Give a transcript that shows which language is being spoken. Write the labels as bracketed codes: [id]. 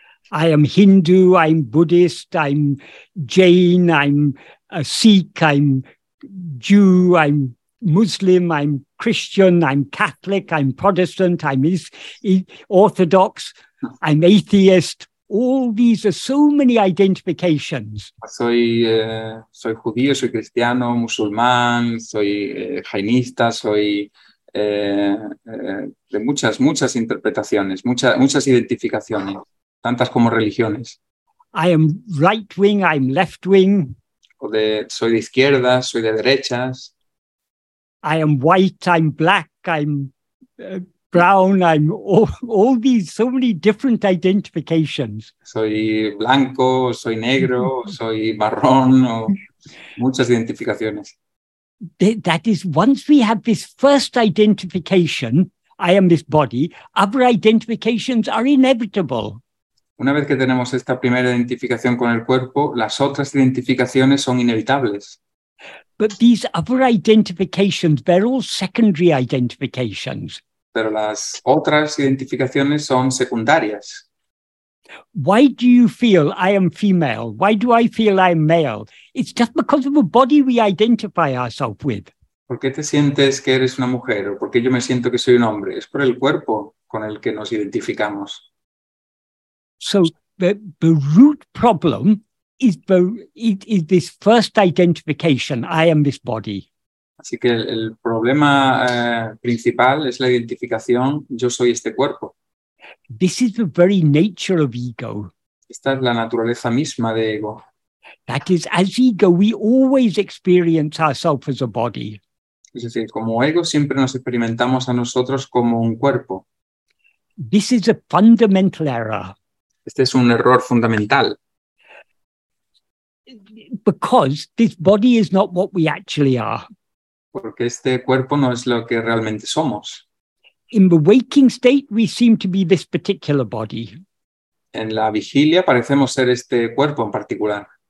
[en] I am Hindu, I'm Buddhist, I'm Jain, I'm a Sikh, I'm Jew, I'm Muslim, I'm Christian, I'm Catholic, I'm Protestant, I'm Orthodox, I'm atheist. All these are so many identifications. [es] Soy judío, soy cristiano, musulmán, soy jainista, soy de muchas interpretaciones, muchas identificaciones, tantas como religiones. [en] I am right wing, I'm left wing. [es] Soy de izquierda, soy de derechas. [en] I am white, I'm black, I'm brown, I'm all these, so many different identifications. [es] Soy blanco, soy negro, soy marrón, o muchas identificaciones. [en] That is, once we have this first identification, I am this body, other identifications are inevitable. [es] Una vez que tenemos esta primera identificación con el cuerpo, las otras identificaciones son inevitables. [en] But these other identifications, they're all secondary identifications. [es] Pero las otras identificaciones son secundarias. [en] Why do you feel I am female? Why do I feel I'm male? It's just because of a body we identify ourselves with. [es] ¿Por qué te sientes que eres una mujer? ¿O por qué yo me siento que soy un hombre? Es por el cuerpo con el que nos identificamos. [en] So the root problem is this first identification, I am this body. [es] Así que el problema principal es la identificación, yo soy este cuerpo. [en] This is the very nature of ego. [es] Esta es la naturaleza misma de ego. [en] That is, as ego, we always experience ourselves as a body. [es] Es decir, como ego siempre nos experimentamos a nosotros como un cuerpo. [en] This is a fundamental error. [es] Este es un error fundamental. [en] Because this body is not what we actually are. [es] Porque este cuerpo no es lo que realmente somos. [en] In the waking state, we seem to be this particular body. [es] En la vigilia parecemos ser este cuerpo en particular.